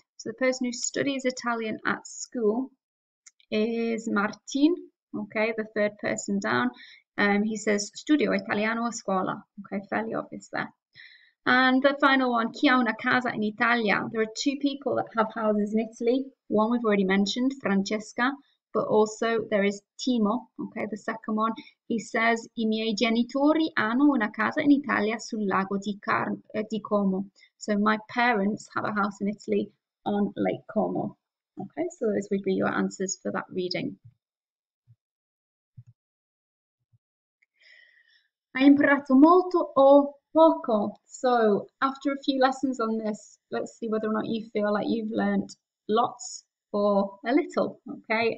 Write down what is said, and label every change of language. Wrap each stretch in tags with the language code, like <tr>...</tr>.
<en>So the person who studies Italian at school is Martin, okay, the third person down. He says,</en> <it>studio italiano a scuola.</it> <en>Okay, fairly obvious there. And the final one,</en> <it>chi ha una casa in Italia?</it> <en>There are two people that have houses in Italy. One we've already mentioned, Francesca, but also there is Timo, okay, the second one. He says,</en> <it>i miei genitori hanno una casa in Italia sul lago di Como.</it> <en>So my parents have a house in Italy on Lake Como. Okay, so those would be your answers for that reading.</en> <it>Hai imparato molto o poco?</it> <en>So after a few lessons on this, let's see whether or not you feel like you've learnt lots or a little, okay?</en>